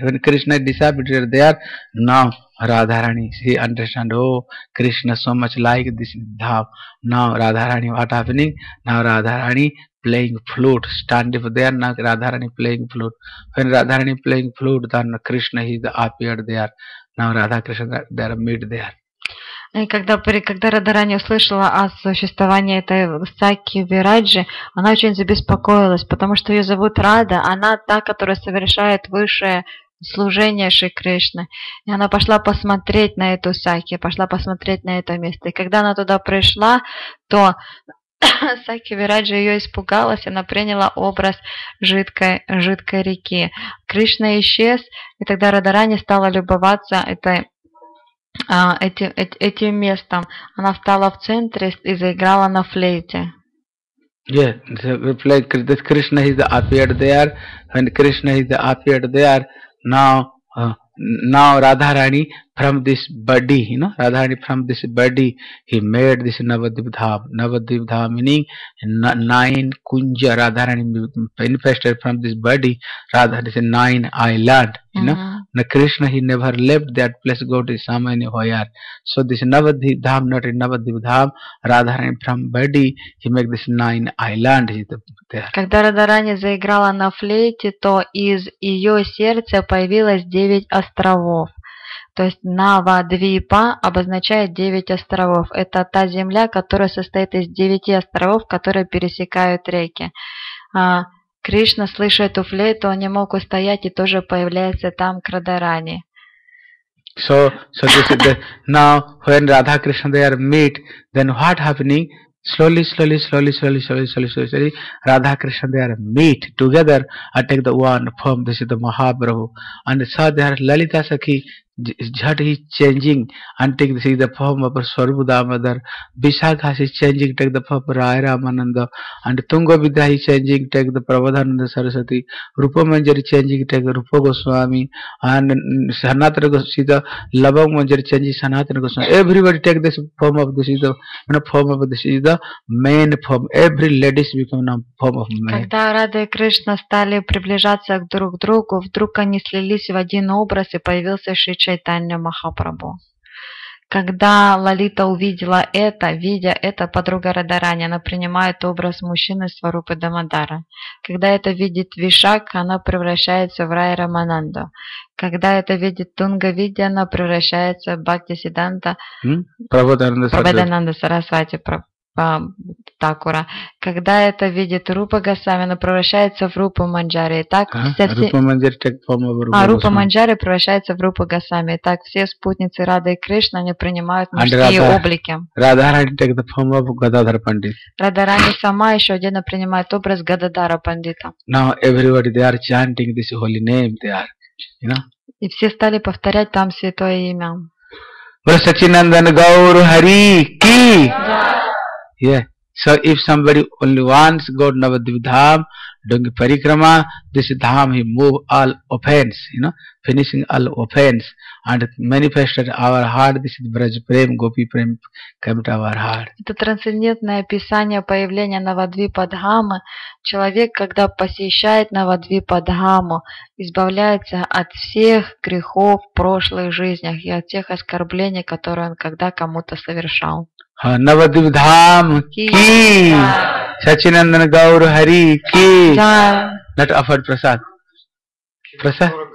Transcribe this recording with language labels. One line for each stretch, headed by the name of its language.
English: When Krishna disappeared there, now Radharani, she understand, oh, Krishna so much like this dhab. Now Radharani, what happening? Now Radharani playing flute, standing there, now Radharani playing flute. When Radharani playing flute, then Krishna, he appeared there. Now Radha Krishna, they are meet there.
Russian: И когда Радхарани услышала о существовании этой Саки Вираджи, она очень забеспокоилась, потому что ее зовут Рада, она та, которая совершает высшее служение Шри Кришны. И она пошла посмотреть на эту Саки, пошла посмотреть на это место. И когда она туда пришла, то Саки Вираджи ее испугалась, она приняла образ жидкой реки. Кришна исчез, и тогда Радхарани стала любоваться этой этим местом. Она встала в центре и заиграла на флейте.
English: Yeah, the flute. Krishna is appeared there. When Krishna is appeared there, now Radharani from this body, you know, Radharani from this body, he made this Navadvip Dham. Navadvip Dham meaning nine kunja. Radharani manifested from this body. Radharani is a nine island, you know. Now Krishna, he never left that place, go to Samayani Hoyar. So this Navadvip Dham, not in Navadvip Dham, Radharani from body, he make this nine island there.
Russian: Когда Радхарани заиграла на флейте, то из ее сердца появилось 9 островов. То есть Навадвипа обозначает 9 островов. Это та земля, которая состоит из 9 островов, которые пересекают реки. Кришна, слыша эту флейту, он не мог устоять и тоже появляется там к Радхарани.
English: So this is the, now when Radha Krishna they are meet, then what happening? Slowly, Radha Krishna they are meet together and take the one form, this is the Mahaprabhu. And so they are Lalita Sakhi, Jhat is changing and take this is the form of Swarupa Damodar. Vishakhas is changing, take the form of Raya Ramananda. And Tungavidya is changing, take the Prabhadananda Saraswati. Rupa Manjari changing, take the Rupa Goswami. And Sanatana Goswami, the Labang Manjari changing, Sanatana Goswami. Everybody take this form of this is the, you know, form of this is the main form. Every ladies become a form of man.
Russian: Когда Рада и Кришна стали приближаться друг к другу, вдруг они слились в один образ и появился Шри Чайтанья Махапрабху. Когда Лалита увидела это, видя это, подруга Радхарани, она принимает образ мужчины Сварупы Дамодара. Когда это видит Вишак, она превращается в Рай Рамананду. Когда это видит Тунга Видья, она превращается в Бхакти Сиданта Прабхадананда Сарасвати Такура. Когда это видит Рупа Госвами, она превращается в Рупу Манджари. Так Рупа Манджари превращается в Рупу Госвами. Так все спутницы Рады и Кришны, они принимают мужские облики. Радхарани сама еще отдельно принимает образ Гададара Пандита.
English: Now everybody they are chanting this holy name there, you know?
Russian: И все стали повторять там святое имя. Врасачинандан Гаур Хари Ки. Yeah.
English: So if somebody only wants go to Navadvip Dham, doing parikrama, this dham he move all offense, you know, finishing all offense and manifested our heart. This is Braj Prem, Gopi Prem came to our heart.
Russian: Это трансцендентное описание появления Навадвипа Дхамы. Человек, когда посещает Навадвипа Дхаму, избавляется от всех грехов в прошлых жизнях и от тех оскорблений, которые он когда кому-то совершал. Навадвип Дхам ки, Сачинандан Гаур Хари ки,
English: not offered prasad. Prasad?